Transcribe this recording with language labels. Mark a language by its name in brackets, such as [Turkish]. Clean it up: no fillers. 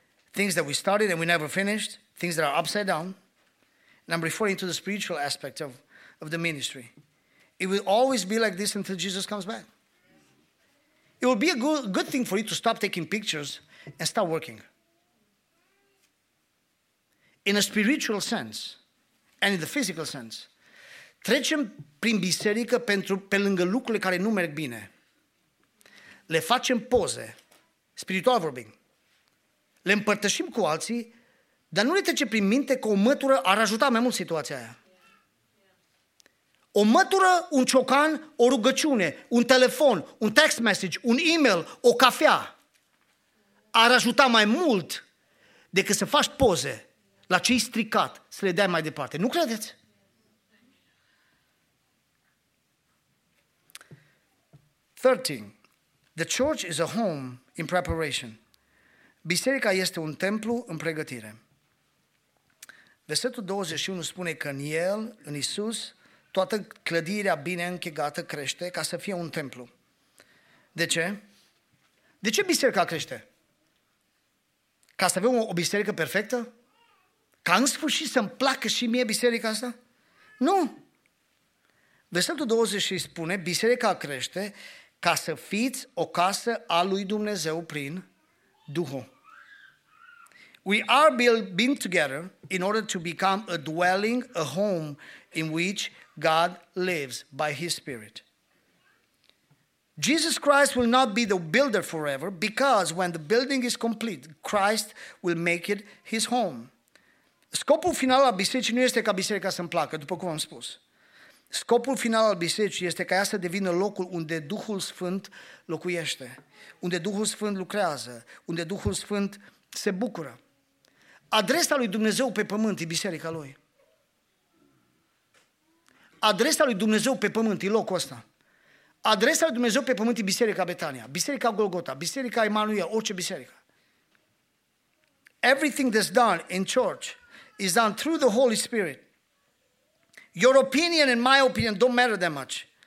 [English] Things that we started and we never finished. Things that are upside down. And I'm referring to the spiritual aspect of the ministry. It will always be like this until Jesus comes back. It will be a good thing for you to stop taking pictures and start working. In a spiritual sense and in the physical sense, [Romanian] trecem prin biserică pentru, pe lângă lucrurile care nu merg bine. Le facem poze, spiritual vorbind. Le împărtășim cu alții, dar nu le trece prin minte că o mătură ar ajuta mai mult situația aia. O mătură, un ciocan, o rugăciune, un telefon, un text message, un email, o cafea ar ajuta mai mult decât să faci poze la ce-i stricat, să le dai mai departe. Nu credeți? [English] Third thing, the church is a home in preparation. [Romanian] Biserica este un templu în pregătire. Versetul 21 spune că în El, în Iisus, toată clădirea bine închegată crește ca să fie un templu. De ce? De ce biserica crește? Ca să avem o biserică perfectă? Ca în sfârșit să-mi placă și mie biserica asta? Nu! Versetul 20 spune, biserica crește ca să fiți o casă a lui Dumnezeu prin Duhul. [English] We are being together in order to become a dwelling, a home in which God lives by His Spirit. Jesus Christ will not be the builder forever because when the building is complete, Christ will make it His home. [Romanian] Scopul final al bisericii nu este ca biserica să-mi placă, după cum am spus. Scopul final al bisericii este ca ea să devină locul unde Duhul Sfânt locuiește, unde Duhul Sfânt lucrează, unde Duhul Sfânt se bucură. Adresa lui Dumnezeu pe pământ e biserica Lui. Adresa lui Dumnezeu pe pământ e locul ăsta. Adresa lui Dumnezeu pe pământ e biserica Betania, biserica Golgota, biserica Emanuel, orice biserică. [English] Everything that's done in church is done through the Holy Spirit. Your opinion and my opinion don't matter that much.